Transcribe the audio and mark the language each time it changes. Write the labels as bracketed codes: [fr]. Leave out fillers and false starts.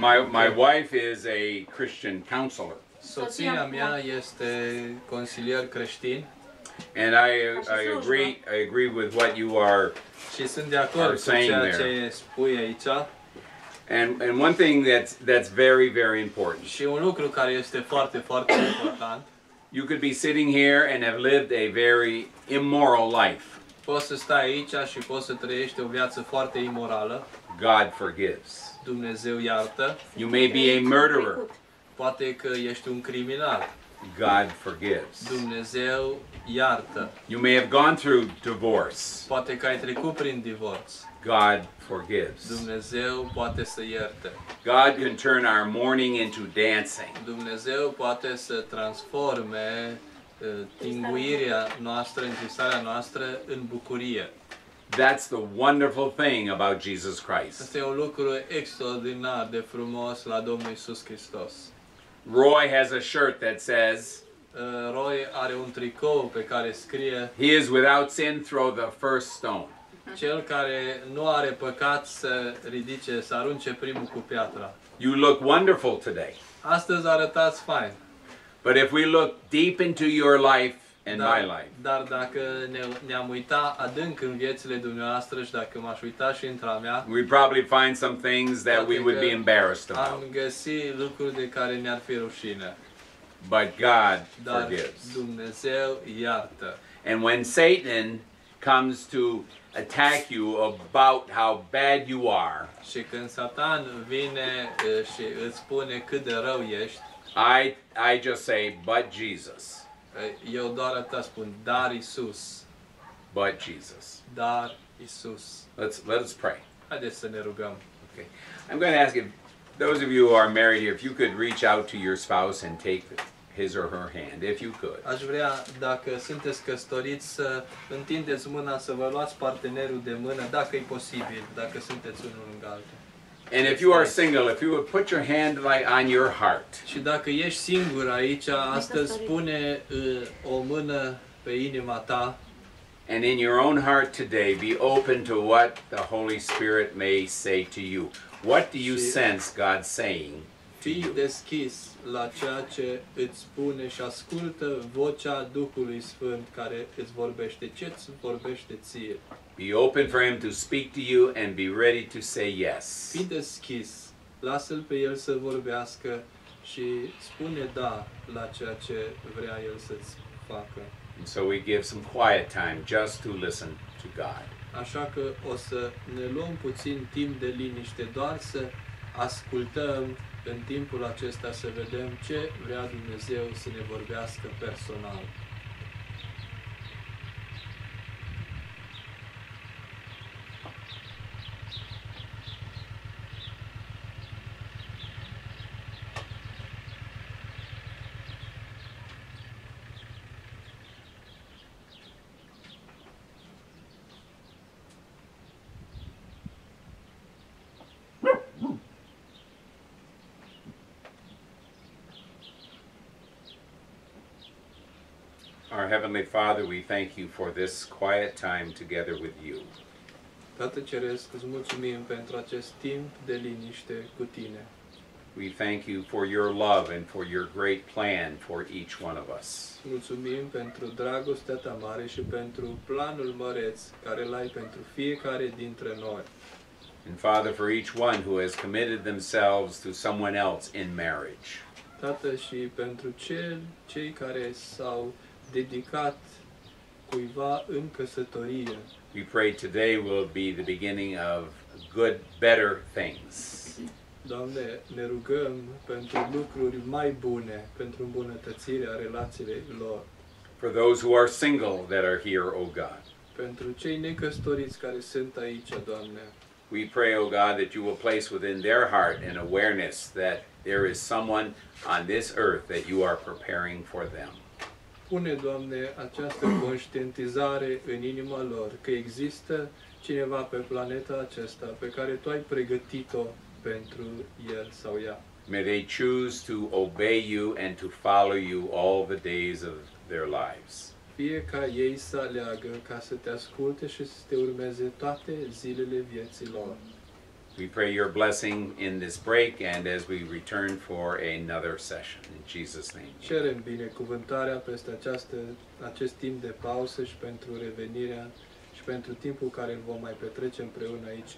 [en] My wife is a Christian counselor. [ro] Soția mea este consilier creștin. [en] And I agree with what you are saying there. [ro] Și sunt de acord cu ceea ce spui aici. [en] And one thing that's very very important. [ro] Și un lucru care este foarte foarte important. [en] You could be sitting here and have lived a very immoral life. [ro] Poți să stai aici și poți să trăiești o viață foarte imorală. [en] God forgives. [ro] Dumnezeu iartă. [en] You may be a murderer. [ro] Poate că ești un criminal. [en] God forgives. [ro] Dumnezeu iartă. [en] You may have gone through divorce. [ro] Poate că ai trecut prin divorț. [en] God forgives. [ro] Dumnezeu poate să ierte. [en] God can turn our mourning into dancing. [ro] Dumnezeu poate să transforme tinguirea noastră, întristarea noastră în bucurie. [en] That's the wonderful thing about Jesus Christ. [ro] Este un lucru extraordinar de frumos la Domnul Iisus Hristos. [en] Roy has a shirt that says [ro] Roy are un tricou pe care scrie [en] He is without sin, throw the first stone. [ro] Cel care nu are păcat să ridice, să arunce primul cu piatra. [en] You look wonderful today. [ro] Astăzi arătați fain. [en] But if we look deep into your life and my life. [ro] Dar dacă ne-am uita adânc în viețile dumneavoastră și dacă m-aș uita și într-a mea. [en] We probably find some things that we would be embarrassed about. [ro] Am găsi lucruri de care ne-ar fi rușine. [en] But God forgives. [ro] Dar Dumnezeu iartă. [en] And when Satan comes to attack you about how bad you are. [ro] Și când Satan vine și îți spune cât de rău ești, [en] I just say but Jesus. [ro] Eu doar atât spun, dar Isus. [en] But Jesus. [ro] Dar Isus. [en] Let's pray. [ro] Haideți să ne rugăm. [en] Okay. I'm going to ask if those of you who are married here if you could reach out to your spouse and take his or her hand, if you could. [ro] Aș vrea, dacă sunteți căsătoriți, să întindeți mâna, să vă luați partenerul de mână, dacă e posibil, dacă sunteți unul lângă altul. [en] And if you are single, if you would put your hand like on your heart. [ro] Și dacă ești singur aici, astăzi pune o mână pe inima ta. [en] And in your own heart today, be open to what the Holy Spirit may say to you. What do you sense God saying? [ro] Fii deschis la ceea ce îți spune și ascultă vocea Duhului Sfânt care îți vorbește. Ce îți vorbește ție? [en] Be open for Him to speak to you and be ready to say yes. [ro] Fii deschis. Lasă-L pe El să vorbească și spune da la ceea ce vrea El să-ți facă. [en] And so we give some quiet time just to listen to God. [ro] Așa că o să ne luăm puțin timp de liniște doar să ascultăm în timpul acesta să vedem ce vrea Dumnezeu să ne vorbească personal. [en] Heavenly Father, we thank you for this quiet time together with you. [ro] Tată Ceresc, îți mulțumim pentru acest timp de liniște cu tine. [en] We thank you for your love and for your great plan for each one of us. [ro] Mulțumim pentru dragostea ta mare și pentru planul măreț care l-ai pentru fiecare dintre noi. [en] And Father, for each one who has committed themselves to someone else in marriage. [ro] Tată, și pentru cei care s-au dedicat cuiva în căsătorie. [en] We pray today will be the beginning of good, better things. [ro] Doamne, ne rugăm pentru lucruri mai bune, pentru îmbunătățirea relațiilor. [en] For those who are single that are here, O God. [ro] Pentru cei necăsătoriți care sunt aici, Doamne. [en] We pray, O God, that you will place within their heart an awareness that there is someone on this earth that you are preparing for them. [ro] Pune, Doamne, această conștientizare în inima lor că există cineva pe planeta aceasta pe care tu ai pregătit-o pentru el sau ea. [en] May they choose to obey you and to follow you all the days of their lives. [ro] Fie ca ei să aleagă ca să te asculte și să te urmeze toate zilele vieții lor. [en] We pray your blessing in this break and as we return for another session. In Jesus' name. [ro] Cerem binecuvântarea peste acest timp de pauză și pentru revenirea și pentru timpul care îl vom mai petrece împreună aici.